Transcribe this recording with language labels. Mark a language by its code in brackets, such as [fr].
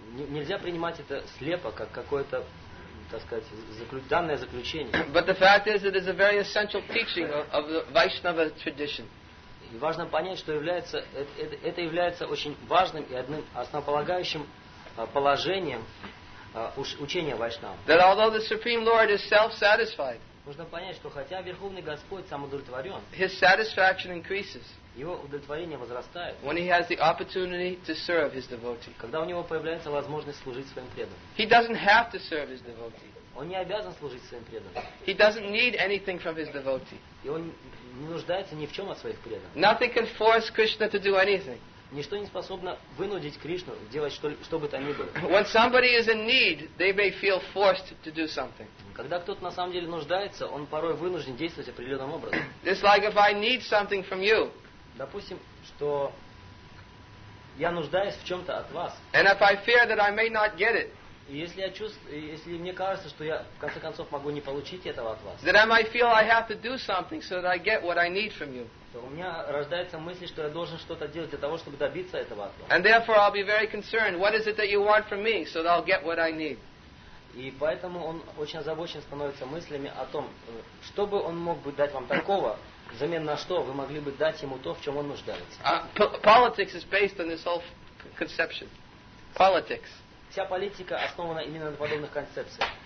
[ru] Нельзя принимать это слепо, как какое-то так сказать, данное заключение. [en] But the fact is, it is a very essential teaching of the Vaishnava tradition. [ru] И важно понять, что является это является очень важным и одним основополагающим положением учения Вайшнав. [en] That although the Supreme Lord is self-satisfied, [ru] нужно понять, что хотя Верховный Господь самоудовлетворен, [en] His satisfaction increases. [ru] Его удовлетворение возрастает. [en] When he has the opportunity to serve his devotee. [ru] Когда у него появляется возможность служить своим преданным. [en] He doesn't have to serve his devotee. [ru] Он не обязан служить своим преданным. [en] He doesn't need anything from his devotee. [ru] И он не нуждается ни в чем от своих преданных. [en] Nothing can force Krishna to do anything. [ru] Ничто не способно вынудить Кришну делать что бы то ни было. [en] When somebody is in need, they may feel forced to do something. [ru] Когда кто-то на самом деле нуждается, он порой вынужден действовать определенным образом. [en] It's like if I need something from you. [ru] Допустим, что я нуждаюсь в чем-то от вас. [en] And if I fear that I may not get it. [ru] Если мне кажется, что я в конце концов могу не получить этого от вас. [en] Then I might feel I have to do something so that I get what I need from you. [ru] То у меня рождается мысль, что я должен что-то делать для того, чтобы добиться этого от вас. [en] And therefore I'll be very concerned. What is it that you want from me so that I'll get what I need? [ru] И поэтому он очень озабочен становится мыслями о том, что бы он мог бы дать вам такого, взамен на что вы могли бы дать ему то, в чем он нуждается. [en] Politics is based on this whole conception. Politics. [ru] Вся политика основана именно на подобных концепциях.